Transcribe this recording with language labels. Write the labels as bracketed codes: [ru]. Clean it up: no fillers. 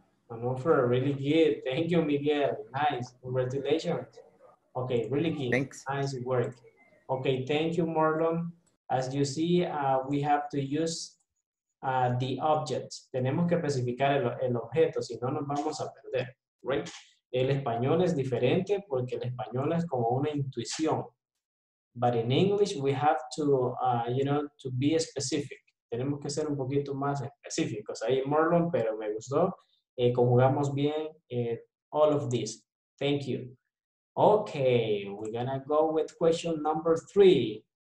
[en] An offer, really good. Thank you, Miguel. Nice. Congratulations. Okay, really good. Thanks. Nice work. Okay, thank you, Marlon. As you see, we have to use the object. [es] Tenemos que especificar el objeto, si no nos vamos a perder, right? El español es diferente porque el español es como una intuición. [en] But in English, we have to, you know, to be specific. [es] Tenemos que ser un poquito más específicos. Ahí, Marlon, pero me gustó. Conjugamos bien [en] all of this. Thank you. Okay, we're gonna go with question number 3.